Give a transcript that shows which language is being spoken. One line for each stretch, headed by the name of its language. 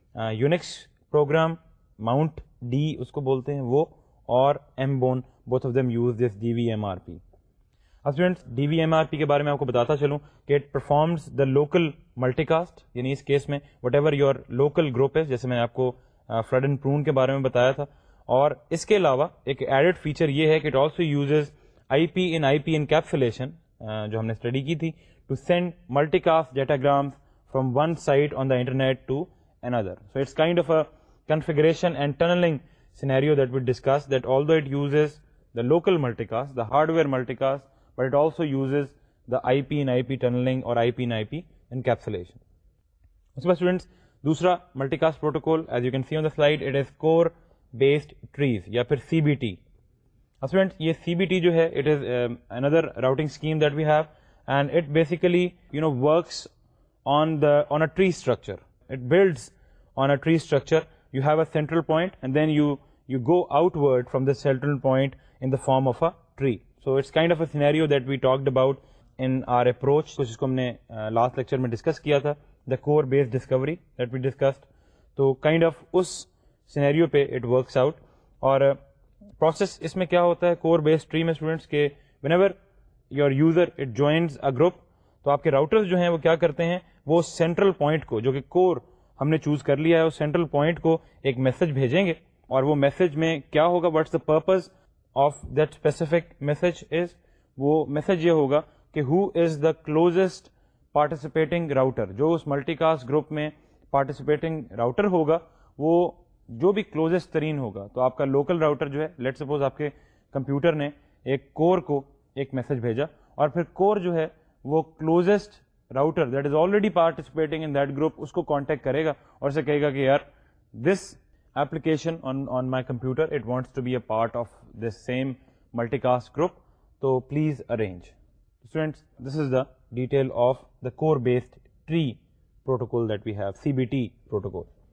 Urdu: Unix programme Mount D اس کو بولتے ہیں وہ اور M bone both of them use this D we M R P اب اسٹوڈنٹس ڈی وی ایم آر پی کے بارے میں آپ کو بتاتا چلوں کہ it performs the local multi cost یعنی اس کیس میں what ever your local group ہے جیسے میں نے آپ کو فلڈ اینڈ پرون کے بارے میں بتایا تھا اور اس کے علاوہ ایک ایڈڈ فیچر یہ ہے کہ it also uses I P in I P encapsulation جو ہم نے اسٹڈی کی تھی
English: to send multicast datagrams from one site on the internet to another. So it's kind of a configuration and tunneling scenario that we discussed that although it uses the local multicast, the hardware multicast, but it also uses the IP and IP tunneling or IP and IP encapsulation. So my students, dusra multicast protocol, as you can see on the slide, it is core-based trees,
Urdu: ya phir
English: CBT. Now students,
Urdu: ye CBT jo hai,
English: it is another routing scheme that we have. And it basically, you know, works on a tree structure. It builds on a tree structure. You have a central point and then you go outward from the central point in the form of a tree. So it's kind of a scenario that we talked about in our approach, which we discussed in the last lecture, the core-based discovery that we discussed. تو kind of اس scenario پہ it works out.
Urdu: اور process اس میں کیا ہوتا ہے, کور بیس tree میں students کے
English: whenever your user it joins a group,
Urdu: تو آپ کے راؤٹرز جو ہیں وہ کیا کرتے ہیں, وہ سینٹرل پوائنٹ کو جو کہ کور ہم نے چوز کر لیا ہے, اس سینٹرل پوائنٹ کو ایک میسج بھیجیں گے. اور وہ میسج میں کیا ہوگا,
English: what's the purpose of that specific message,
Urdu: از وہ میسج یہ ہوگا کہ
English: who is the closest participating router,
Urdu: جو اس ملٹی کاسٹ گروپ میں پارٹیسپیٹنگ راؤٹر ہوگا وہ جو بھی کلوزسٹ ترین ہوگا. تو آپ کا لوکل راؤٹر جو ہے, لیٹ سپوز آپ کے کمپیوٹر نے ایک کور کو ایک میسج بھیجا, اور پھر کور جو ہے وہ closest router that is already participating in that group, اس کو کانٹیکٹ کرے گا اور اسے کہے گا کہ یار
English: this application on my computer it wants to be a part of this same multicast group,
Urdu: تو please arrange.
English: Students, this is the detail of the core based tree protocol that we have, C B T protocol.